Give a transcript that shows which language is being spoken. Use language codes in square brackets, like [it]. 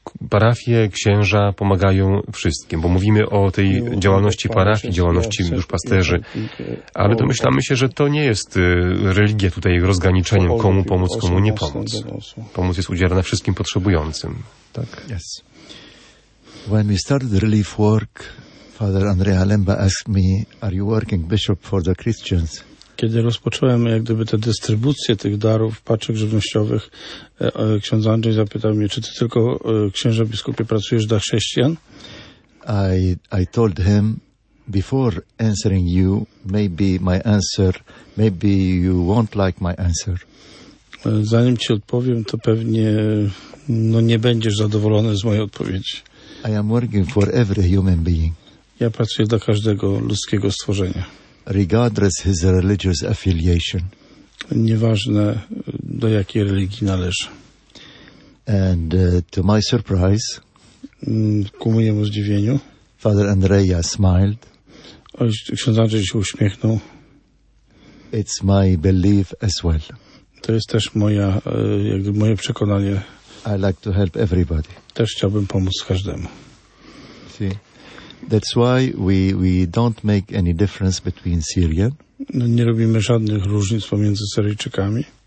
[pl] Parafie księża pomagają wszystkim, bo mówimy o tej działalności parafii, działalności duszpasterzy, ale domyślamy się, że to nie jest religia tutaj rozgraniczeniem, komu pomóc, komu nie pomóc. Pomoc jest udzielana wszystkim potrzebującym. Tak? [en] Yes. When we started relief work, Father Andrea Lemba asked me, are you working, Bishop, for the Christians? [pl] kiedy rozpocząłem jak gdyby tę dystrybucję tych darów, paczek żywnościowych, ksiądz Andrzej zapytał mnie, czy ty tylko, księże biskupie, pracujesz dla chrześcijan? [en] I told him, before answering you, maybe my answer, maybe you won't like my answer. [pl] Zanim ci odpowiem, to pewnie no, nie będziesz zadowolony z mojej odpowiedzi. [en] I am working for every human being. [pl] Ja pracuję dla każdego ludzkiego stworzenia. [en] Regardless his religious affiliation. [pl] Nieważne, do jakiej religii należy. [en] And to my surprise, [pl] ku mojemu zdziwieniu, [en] Father Andrea smiled. [pl] Ksiądz Andrzej się uśmiechnął. [en] It's my belief as well. [pl] To jest też moja, jakby moje przekonanie. [en] I like to help everybody. [pl] Też chciałbym pomóc każdemu. [en] See? That's why we don't make any difference between Syrian. [pl] No, nie robimy żadnych różnic pomiędzy Syryjczykami.